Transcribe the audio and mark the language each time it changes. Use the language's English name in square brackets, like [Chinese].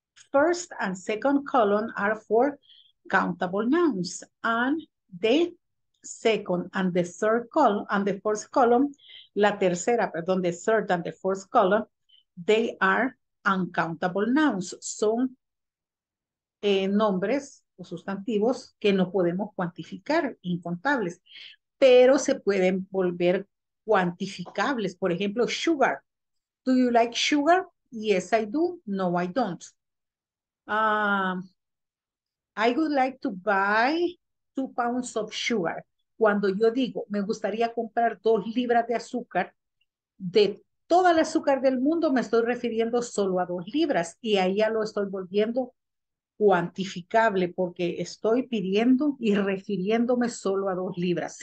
[English] First and second column are for countable nouns. And the second and the third column, and the fourth column, [Spanish] la tercera, perdón, [English] the third and the fourth column, they are uncountable nouns. [Spanish] Son nombres o sustantivos que no podemos cuantificar, incontables, pero se pueden volver cuantificables. Por ejemplo, [English] sugar. Do you like sugar? Yes, I do. No, I don't. I would like to buy 2 pounds of sugar. [Spanish] Cuando yo digo, me gustaría comprar 2 libras de azúcar, de todo el azúcar del mundo me estoy refiriendo solo a 2 libras y ahí ya lo estoy volviendo cuantificable porque estoy pidiendo y refiriéndome solo a 2 libras.